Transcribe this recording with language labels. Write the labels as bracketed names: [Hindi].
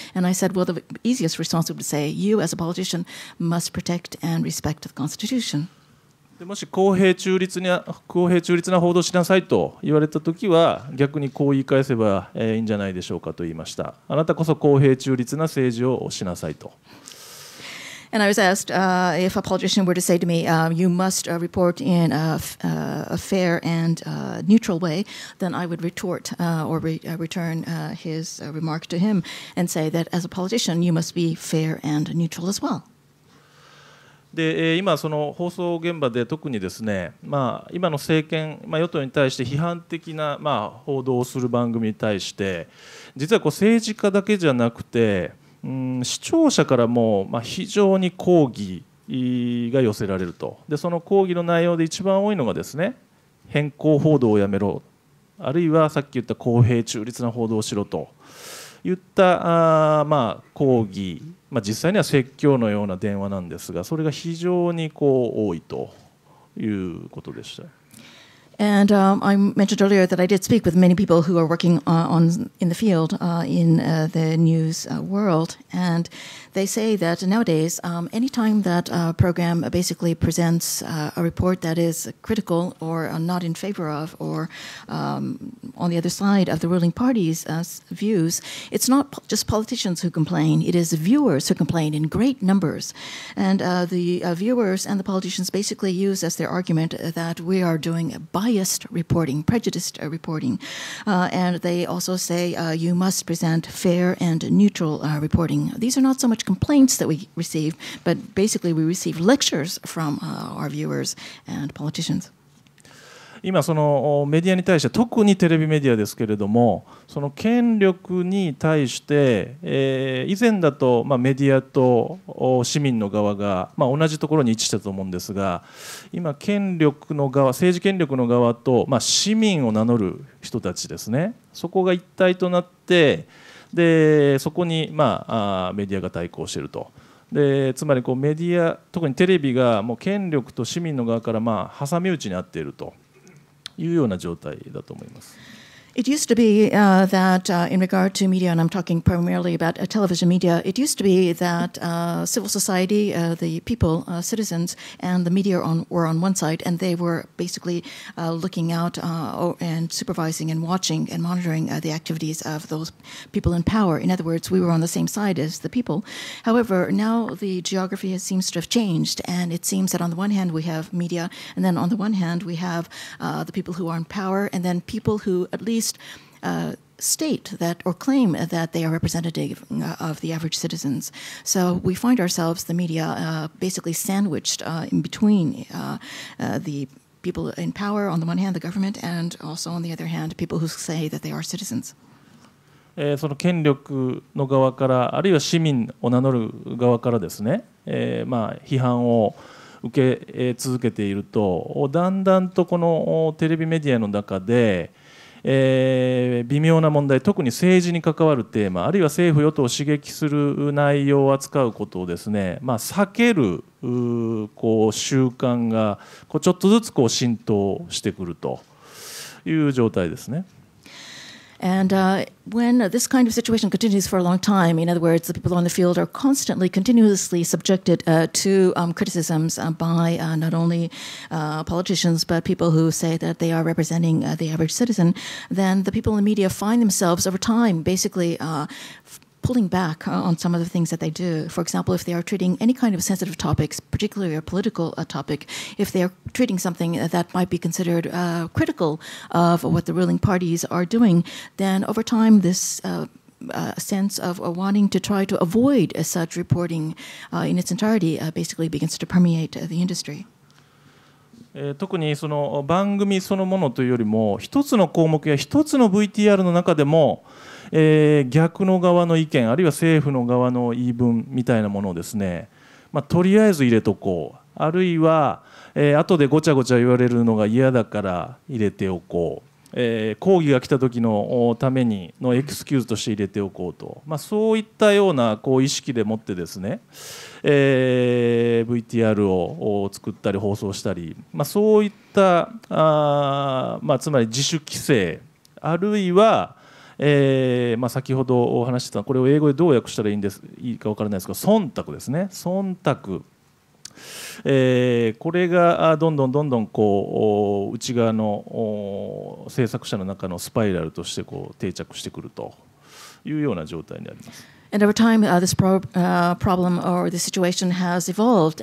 [English] And I said, well, the easiest response would be to say, you as a politician must protect and respect the Constitution. [Japanese] でもし公平中立な報道しなさいと言われたときは逆にこう言い返せばいいんじゃないでしょうかと言いました。あなたこそ公平中立な政治をしなさいと。 [English] And I was asked if a politician were to say to me, you must report in a fair and neutral way, then I would retort or return his remark to him and say that as a politician, you must be fair and neutral as well. [Japanese] で今その放送現場で特にですね、まあ、今の政権、まあ、与党に対して批判的な、まあ、報道をする番組に対して実はこう政治家だけじゃなくて視聴者からも非常に抗議が寄せられると。でその抗議の内容で一番多いのがですね、偏向報道をやめろ、あるいはさっき言った公平中立な報道をしろといったまあ抗議、まあ、実際には説教のような電話なんですが、それが非常にこう多いということでした。 [English] And I mentioned earlier that I did speak with many people who are working on in the field in the news world, and they say that nowadays, any time that a program basically presents a report that is critical or not in favor of or on the other side of the ruling party's views, it's not just politicians who complain; it is viewers who complain in great numbers, and the viewers and the politicians basically use as their argument that we are doing biased reporting, prejudiced reporting, and they also say you must present fair and neutral reporting. These are not so much complaints that we receive, but basically we receive lectures from our viewers and politicians. [Japanese] 今そのメディアに対して、特にテレビメディアですけれども、その権力に対して、以前だと、まあ、メディアと市民の側が、まあ、同じところに位置したと思うんですが、今権力の側、政治権力の側と、まあ、市民を名乗る人たちですね、そこが一体となって、でそこに、まあ、メディアが対抗していると。でつまりこうメディア、特にテレビがもう権力と市民の側から、まあ、挟み撃ちにあっているというような状態だと思います。 [English] It used to be that in regard to media, and I'm talking primarily about television media, it used to be that civil society, the people, citizens, and the media were on one side, and they were basically looking out and supervising and watching and monitoring the activities of those people in power. In other words, we were on the same side as the people. However, now the geography seems to have changed, and it seems that on the one hand we have media, and then on the one hand we have the people who are in power, and then people who at leaststate that or claim that they are representative of the average citizens. So we find ourselves, the media, basically sandwiched in between the people in power on the one hand, the government, and also on the other hand, people who say that they are citizens. [Japanese] その権力の側から、あるいは市民を名乗る側からですね、まあ批判を受け続けていると、だんだんとこのテレビメディアの中で微妙な問題、特に政治に関わるテーマ、あるいは政府与党を刺激する内容を扱うことをですね、まあ、避けるこう習慣がこうちょっとずつこう浸透してくるという状態ですね。 [English] And when this kind of situation continues for a long time, in other words, the people on the field are constantly, continuously subjected to criticisms by not only politicians, but people who say that they are representing the average citizen, then the people in the media find themselves over time basically pulling back on some of the things that they do. For example, if they are treating any kind of sensitive topics, particularly a political topic, if they are treating something that might be considered critical of what the ruling parties are doing, then over time this sense of wanting to try to avoid such reporting in its entirety basically begins to permeate the industry. [Japanese] 特にその番組そのものというよりも、一つの項目や一つの VTR の中でも逆の側の意見、あるいは政府の側の言い分みたいなものをですね、まあとりあえず入れとこう、あるいは後でごちゃごちゃ言われるのが嫌だから入れておこう、抗議が来た時のためにのエクスキューズとして入れておこうと、まあそういったようなこう意識でもってですね、VTR を作ったり放送したり、まあそういったまあつまり自主規制、あるいはまあ、先ほどお話してた、これを英語でどう訳したらいいんですいいか分からないですが、忖度ですね、忖度、これがどんどんどんどんこう内側の制作者の中のスパイラルとしてこう定着してくるというような状態になります。 [English] And over time, this problem or the situation has evolved.